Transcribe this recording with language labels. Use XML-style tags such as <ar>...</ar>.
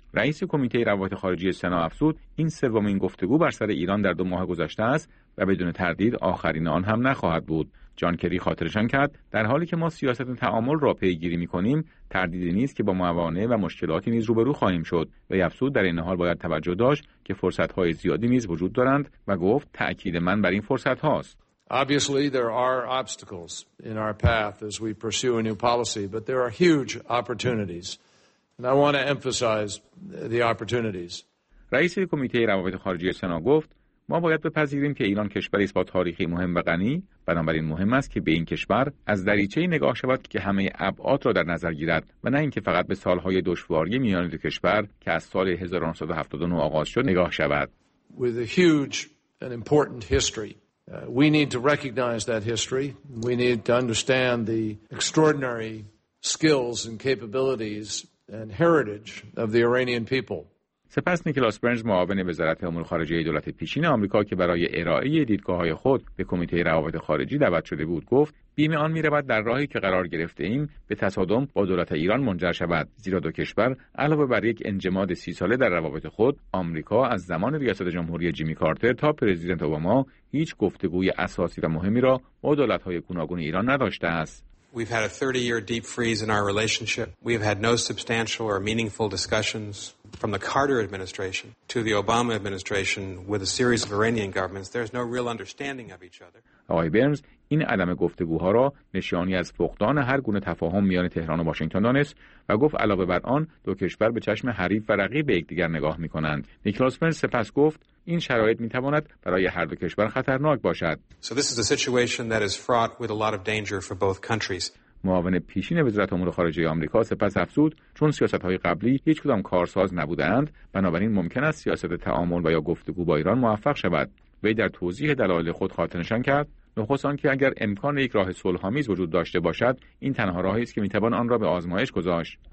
<fa>رئیس کمیته روابط خارجی سنا افزود این سومین گفتگو بر سر ایران در دو ماه گذشته است و بدون تردید آخرین آن هم نخواهد بود. جان کری خاطرشان کرد در حالی که ما سیاست تعامل را پیگیری می‌کنیم، تردیدی نیست که با موانع و مشکلاتی نیز روبرو خواهیم شد و افزود در این حال باید توجه داشت که فرصت‌های زیادی نیز وجود دارند و گفت تأکید من بر این فرصت‌هاست.</fa> <en>Obviously there are obstacles in our path as we pursue a new policy, but there are huge opportunities and I want to emphasize the opportunities.</en> <fa>رئیس کمیته روابط خارجی سنا گفت ما باید بپذیریم که ایران کشوری است با تاریخی مهم و غنی، بنابراین مهم است که به این کشور از دریچه نگاه شود که همه ابعاد را در نظر گیرد و نه اینکه فقط به سالهای دشواری میان دو کشور که از سال 1979 آغاز شد نگاه شود.</fa> <en>With a huge and important history, we need to recognize that history. We need to understand the extraordinary skills and capabilities and heritage of the Iranian people.</en> <fa>سپس نیکلاس برنز معاون وزارت امور خارجه دولت پیشین آمریکا که برای ارائه دیدگاه‌های خود به کمیته روابط خارجی دعوت شده بود گفت بیم آن می‌رود در راهی که قرار گرفته ایم به تصادم با دولت ایران منجر شود، زیرا دو کشور علاوه بر یک انجماد 30 ساله در روابط خود، آمریکا از زمان ریاست جمهوری جیمی کارتر تا پرزیدنت اوباما هیچ گفتگوی اساسی و مهمی را با دولت‌های گوناگون ایران نداشته است.</fa> <en>We've had a 30-year deep freeze in our relationship. We have had no substantial or meaningful discussions from the Carter administration to the Obama administration with a series of Iranian governments. There's no real understanding of each other.</en> <fa>آقای برنز این عدم گفتگوها را نشانی از فقدان هر گونه تفاهم میان تهران و واشنگتن دانست و گفت علاوه بر آن دو کشور به چشم حریف و رقیب یکدیگر نگاه می‌کنند. نیکلاس برنز سپس گفت این شرایط میتواند برای هر دو کشور خطرناک باشد.</fa> <en>So this is a situation that is fraught with a lot of danger for both countries.</en> <fa>معاون پیشین وزارت امور خارجه آمریکا سپس افزود چون سیاست‌های قبلی هیچ کدام کارساز نبودند، بنابراین ممکن است سیاست تعامل و یا گفتگو با ایران موفق شود. وی در توضیح دلایل خود خاطرنشان کرد نخست آنکه اگر امکان یک راه صلح‌آمیز وجود داشته باشد، این تنها راهی است که میتوان آن را به آزمایش گذاشت.</fa>